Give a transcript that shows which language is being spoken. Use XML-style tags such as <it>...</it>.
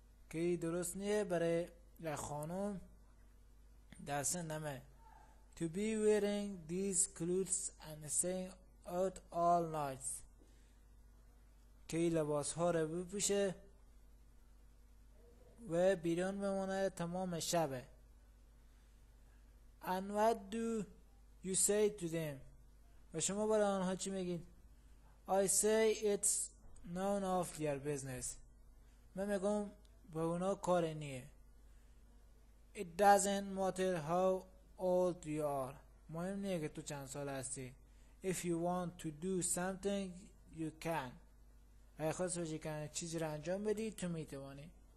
<fa>که این درست نیه برای یک خانم در سن من.</fa> <en>To be wearing these clothes and staying out all night.</en> <fa>که این لباس ها رو بپوشه و بیرون بمونه تمام شبه.</fa> <en>And what do you say to them?</en> <fa>و شما برای آنها چی میگین؟</fa> <en>I say it's none of your business.</en> <fa>من میگم به اونا کار نیه.</fa> <en>It doesn't matter how old you are.</en> <fa>مهم نیه که تو چند سال هستی.</fa> <en>If you want to do something, you can.</en> <fa>اگه خواست باشی که چیزی رو انجام بدی، تو میتوانی.</fa>